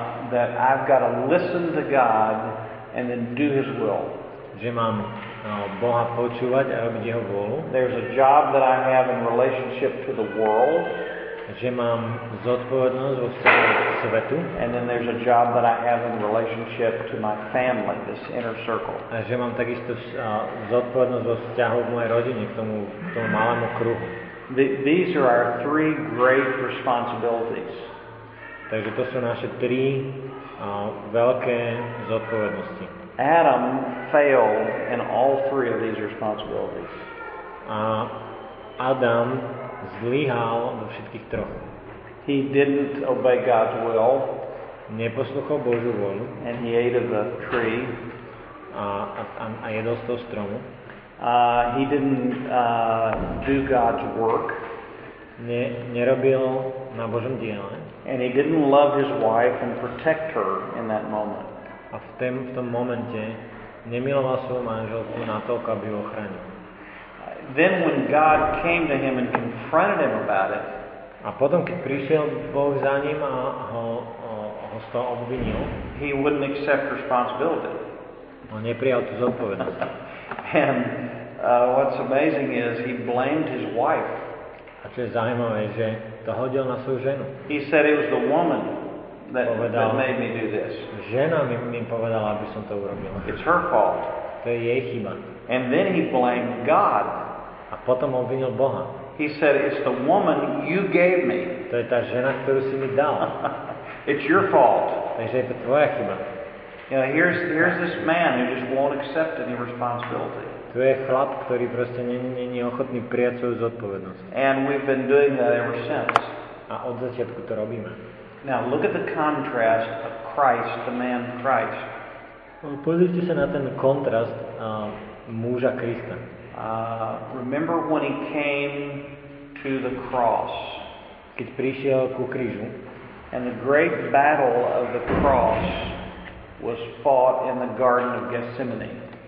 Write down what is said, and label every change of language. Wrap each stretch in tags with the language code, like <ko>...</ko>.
<en>That I've got to listen to God and then do his will.</en> <sk>Že mám Boha počúvať a robiť jeho vôľu.</sk> <en>There's a job that I have in relationship to the world.</en> <sk>Že mám zodpovednosť vo vzťahu k svetu.</sk> <en>And then there's a job that I have in relationship to my family, this inner circle.</en> <sk>A že mám takisto zodpovednosť vo vzťahu k mojej rodine, k tomu malému kruhu.</sk> <en>These are our three great responsibilities.</en> <sk>Takže to sú naše tri veľké zodpovednosti.</sk> <en>Adam failed in all three of these responsibilities.</en> <sk>A Adam zlyhal vo všetkých troch.</sk> <en>He didn't obey God's will.</en> <sk>Neposlúchol Božiu vôľu.</sk> <en>And he ate of the tree.</en> <sk>A jedol z toho stromu.</sk> <en>He didn't do God's work.</en> <sk>Nerobil na Božom diele.</sk> <en>And he didn't love his wife and protect her in that moment.</en> <sk>A v tom momente nemiloval svoju manželku natoľko, aby ho ochránil.</sk> <en>Then when God came to him and confronted him about it.</en> <sk>A potom keď prišiel Boh za ním a ho z toho obvinil.</sk> <en>He wouldn't accept responsibility.</en> <sk>On neprijal tú zodpovednosť.</sk> <en>And what's amazing is he blamed his wife.</en> <sk>A čo je zaujímavé, že to hodil na svoju ženu.</sk> <en>He said it was the woman that made me do this.</en> <sk>Žena mi povedala, aby som to urobil.</sk> <en>It's her fault.</en> <sk>To je jej chyba.</sk> <en>And then he blamed God.</en> <sk>A potom obvinil Boha.</sk> <en>He said it's the woman you gave me.</en> <sk>To je tá žena, ktorú si mi dal.</sk> <en>It's your fault.</en> <sk>Takže je to tvoja chyba.</sk> <en>You know, here's this man who just won't accept any responsibility.</en> <sk>Tu je chlap, ktorý proste není ochotný prijať svoju zodpovednosť.</sk> <en>And we've been doing that ever since.</en> <sk>A od začiatku to robíme.</sk> <en>Now look at the contrast of Christ, the man Christ.</en> <sk>Pozrite sa na ten kontrast muža Krista.</sk> <en>Remember when he came to the cross.</en> <sk>Keď prišiel ku krížu.</sk> <en>And the great battle of the cross was fought in the Garden of Gethsemane.</en>